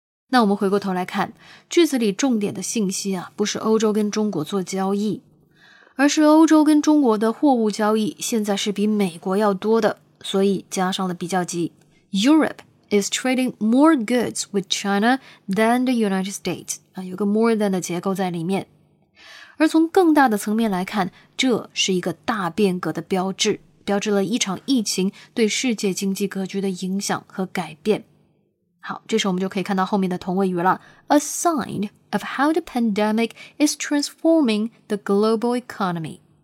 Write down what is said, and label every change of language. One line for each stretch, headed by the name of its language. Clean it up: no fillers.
Chinese: 那我们回过头来看，句子里重点的信息啊，不是欧洲跟中国做交易，而是欧洲跟中国的货物交易现在是比美国要多的，所以加上了比较级。
English: Europe is trading more goods with China than the United States.
Chinese: 啊，有个 more than 的结构在里面。而从更大的层面来看，这是一个大变革的标志。标志了一场疫情对世界经济格局的影响和改变。好，这时候我们就可以看到后面的同位语了。
English: A sign of how the pandemic is transforming the global economy.